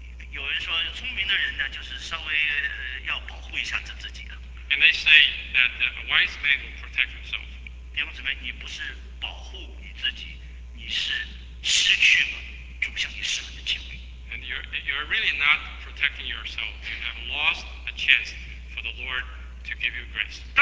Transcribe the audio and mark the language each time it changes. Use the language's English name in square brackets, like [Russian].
[Chinese] 有人说聪明的人呢就是稍微要保护一下自己 [English] and they say that a wise man will protect himself. [Chinese] 弟兄姊妹，你不是保护你自己，你是失去了主向你施恩的机会。 [English] And you're really not protecting yourself. You have lost a chance for the Lord to give you grace.